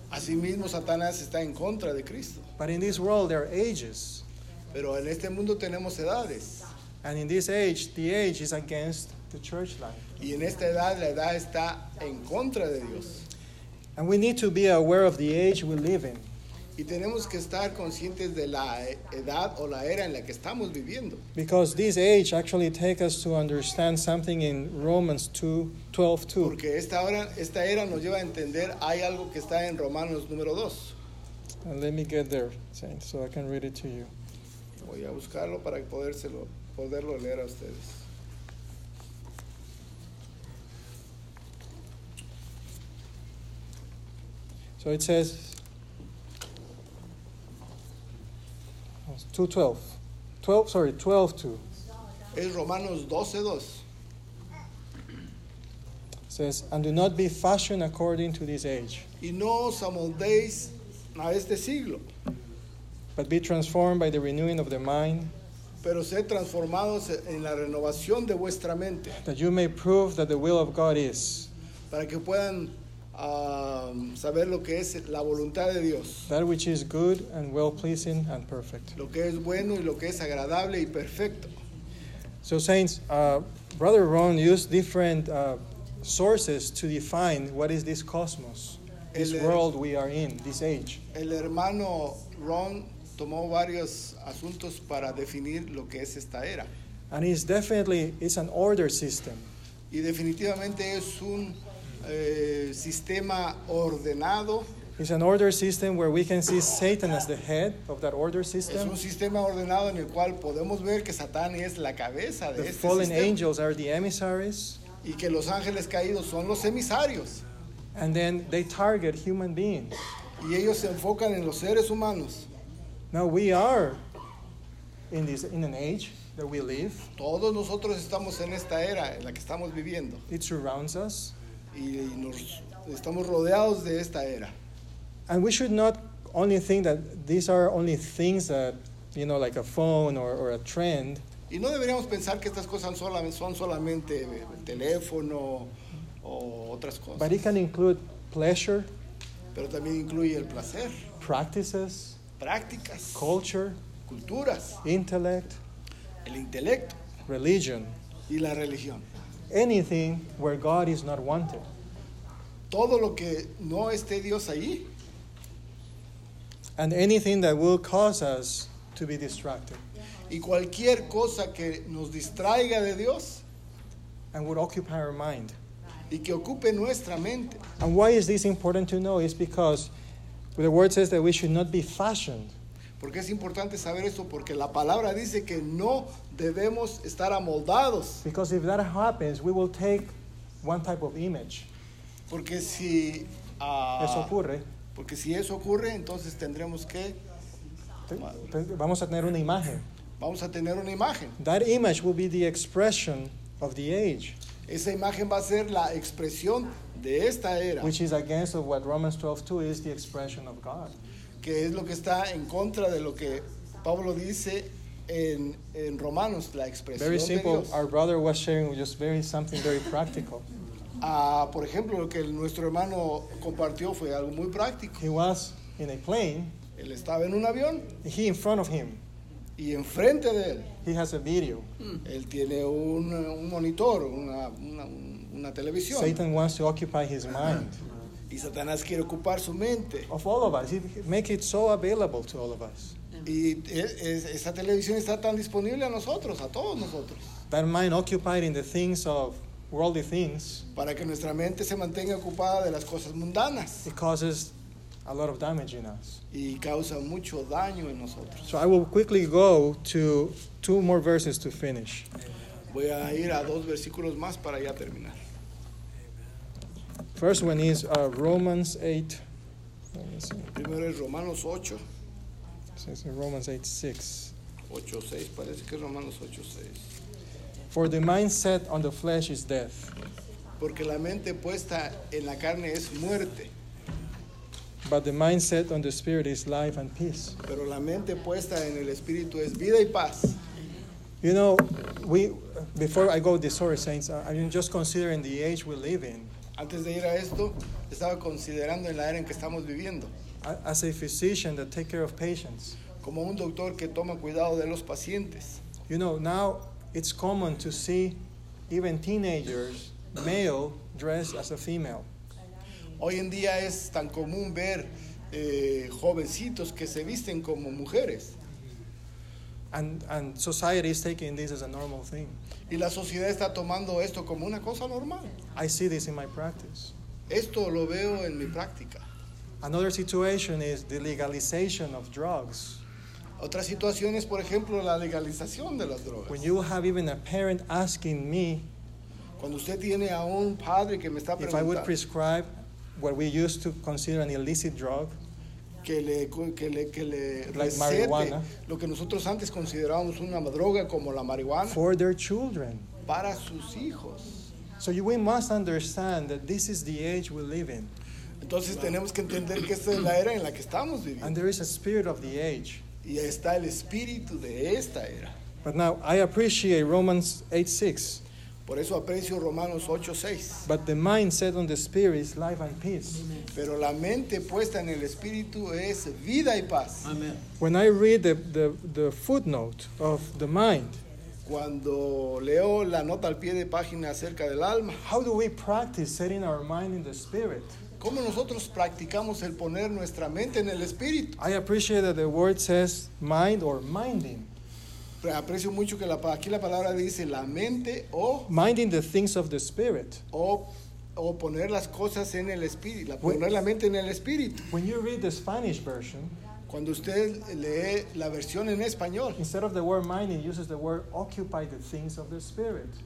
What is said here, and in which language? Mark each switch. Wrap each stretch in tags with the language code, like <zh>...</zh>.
<es>Así mismo Satanás está en contra de Cristo.</es> <en>But in this world there are ages.</en> <es>Pero en este mundo tenemos edades.</es> <en>And in this age, the age is against the church life.</en> <es>Y en esta edad, la edad está en contra de Dios.</es> <en>And we need to be aware of the age we live in.</en> <es>Y tenemos que estar conscientes de la edad o la era en la que estamos viviendo.</es> <en>Because this age actually takes us to understand something in Romans 2:12-2.</en> <es>Porque esta era nos lleva a entender hay algo que está en Romanos número 2.</es> <en>And let me get there, Saint, so I can read it to you.</en> <es>Voy a buscarlo para podérselo. Poderlo leer a ustedes.</es> <en>So it says 12:2.</en> <es>Es Romanos 12:2.</es> <en>Says, and do not be fashioned according to this age.</en> <es>Y no os amoldéis a este siglo.</es> <en>But be transformed by the renewing of the mind.</en> <es>Pero sed transformados en la renovación de vuestra mente.</es> <en>That you may prove that the will of God is.</en> <es>Para que puedan saber lo que es la voluntad de Dios.</es> <en>That which is good and well-pleasing and perfect.</en> <es>Lo que es bueno y lo que es agradable y perfecto.</es> <en>So saints, Brother Ron used different sources to define what is this cosmos, this world we are in, this age.</en> <es>El hermano Ron tomó varios asuntos para definir lo que es esta era.</es> <en>And it's definitely, it's an order system.</en> <es>Y definitivamente es un sistema ordenado.</es> <en>It's an order system where we can see Satan as the head of that order system.</en> <es>Es un sistema ordenado en el cual podemos ver que Satán es la cabeza de</es> <en>the</en> <es>este sistema. The</es> <en>fallen angels are the emissaries.</en> <es>Y que los ángeles caídos son los emisarios.</es> <en>And then they target human beings.</en> <es>Y ellos se enfocan en los seres humanos.</es> <en>Now we are in this in an age that we live.</en> <es>Todos nosotros estamos en esta era en la que estamos viviendo.</es> <en>It surrounds us.</en> <es>Y nos estamos rodeados de esta era.</es> <en>And we should not only think that these are only things that, you know, like a phone or a trend.</en> <es>Y no deberíamos pensar que estas cosas son solamente el teléfono o otras cosas.</es> <en>But it can include pleasure.</en> <es>Pero también incluye el placer.</es> <en>Practices.</en> <es>Prácticas,</es> <en>culture,</en> <es>culturas,</es> <en>intellect,</en> <es>el intelecto,</es> <en>religion,</en> <es>y la religión.</es> <en>Anything where God is not wanted.</en> <es>Todo lo que no esté Dios allí.</es> <en>and anything that will cause us to be distracted.</en> <es>Y cualquier cosa que nos distraiga de Dios,</es> <en>and would occupy our mind.</en> <es>Y que ocupe nuestra mente.</es> <en>And why is this important to know? It's because the word says that we should not be fashioned.</en> <es>Porque es importante saber esto porque la palabra dice que no debemos estar amoldados.</es> <en>Because if that happens, we will take one type of image.</en> <es>Porque si eso ocurre, porque si eso ocurre, entonces tendremos que vamos a tener una imagen. Vamos a tener una imagen.</es> <en>That image will be the expression of the age.</en> <es>Esa imagen va a ser la expresión de esta era.</es> <en>Which is against of what Romans 12:2 is the expression of God.</en> <es>Que es lo que está en contra de lo que Pablo dice en Romanos, la expresión</es> <en>very simple.</en> <es>De Dios.</es> <en>Our brother was sharing just very something very practical.</en> <es>Por ejemplo, lo que nuestro hermano compartió fue algo muy práctico.</es> <en>He was in a plane.</en> <es>Él estaba en un avión.</es> <en>He in front of him.</en> <es>Y enfrente de él.</es> <en>He has a video.</en> <es>Él tiene un monitor, una televisión.</es> <en>Satan wants to occupy his mind.</en> <es>Y Satanás quiere ocupar su mente.</es> <en>Of all of us. He make it so available to all of us.</en> <es>Y esa televisión está tan disponible a nosotros, a todos nosotros.</es> <en>That mind occupied in the things of worldly things.</en> <es>Para que nuestra mente se mantenga ocupada de las cosas mundanas.</es> <en>It causes a lot of damage in us.</en> <es>Y causa mucho daño en nosotros.</es> <en>So I will quickly go to two more verses to finish.</en> <es>Voy a ir a dos versículos más para ya terminar.</es> <en>First one is Romans 8.</en> <es>Primero es Romanos 8.</es> <en>It says Romans 8, 6.</en> <es>8, 6. Parece que es Romanos 8, 6.</es> <en>For the mindset on the flesh is death.</en> <es>Porque la mente puesta en la carne es muerte.</es> <en>But the mindset on the spirit is life and peace.</en> <es>Pero la mente puesta en el espíritu es vida y paz.</es> <en>You know, before I go to the story, saints, I'm just considering the age we live in.</en> <es>Antes de ir a esto, estaba considerando en la era en que estamos viviendo.</es> <en>As a physician that take care of patients.</en> <es>Como un doctor que toma cuidado de los pacientes.</es> <en>You know, now it's common to see even teenagers, male, dressed as a female.</en> <es>Hoy en día es tan común ver jovencitos que se visten como mujeres.</es> <en>And society is taking this as a normal thing.</en> <es>Y la sociedad está tomando esto como una cosa normal.</es> <en>I see this in my practice.</en> <es>Esto lo veo en mi práctica.</es> <en>Another situation is the legalization of drugs.</en> <es>Otra situación es, por ejemplo, la legalización de las drogas.</es> <en>When you have even a parent asking me,</en> <es>cuando usted tiene a un padre que me está preguntando,</es> <en>if I would prescribe what we used to consider an illicit drug,</en> <es>que le</es> <en>like marijuana,</en> <es>lo que nosotros antes considerábamos una droga como la marihuana,</es> <en>for their children,</en> <es>para sus hijos.</es> <en>So we must understand that this is the age we live in.</en> <es>Entonces tenemos que entender que esta es la era en la que estamos viviendo.</es> <en>And there is a spirit of the age.</en> <es>Y está el espíritu de esta era.</es> <en>But now I appreciate Romans 8:6.</en> <es>Por eso aprecio Romanos 8:6.</es> <en>But the mind set on the spirit is life and peace.</en> <es>Pero la mente puesta en el espíritu es vida y paz.</es> <en>Amen. When I read the footnote of the mind,</en> <es>cuando leo la nota al pie de página acerca del alma,</es> <en>how do we practice setting our mind in the spirit?</en> <es>¿Cómo nosotros practicamos el poner nuestra mente en el espíritu?</es> <en>I appreciate that the word says mind or minding.</en> <es>Aprecio mucho que aquí la palabra dice la mente o</es> <en>minding the things of the spirit.</en> <es>O poner las cosas en el espíritu, poner la mente en el espíritu.</es> <en>When you read the Spanish version,</en> <es>cuando usted lee la versión en español,</es> <en>instead of the word minding, uses the word occupy the things of the spirit.</en>